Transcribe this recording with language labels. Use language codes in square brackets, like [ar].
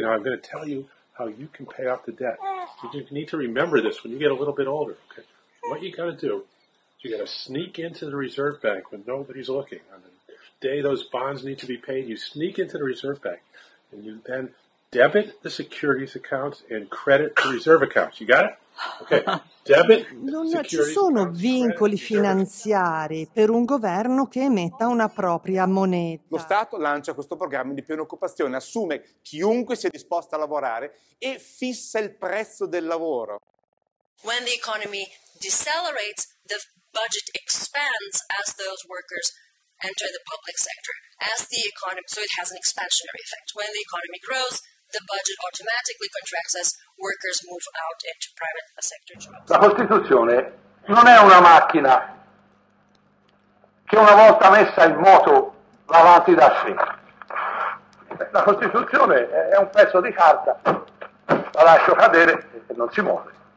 [en] Now I'm going to tell you how you can pay off the debt. You need to remember this when you get a little bit older. Okay, what you got to do is you got to sneak into the Reserve Bank when nobody's looking. On the day those bonds need to be paid, you sneak into the Reserve Bank, and you then debit the securities accounts and credit the reserve accounts. You got it? [it] Non ci sono vincoli finanziari per un governo che emetta una propria moneta. Lo Stato lancia questo programma di piena occupazione, assume chiunque sia disposto a lavorare e fissa il prezzo del lavoro. [en] When the economy decelerates, the budget expands as those workers enter the public sector. As the economy, so it has an expansionary effect. When the economy grows, the budget automatically contracts as workers move out into private sector jobs. [it] La Costituzione non è una macchina che una volta messa in moto va avanti da sé. La Costituzione è un pezzo di carta, la lascio cadere e non si muove.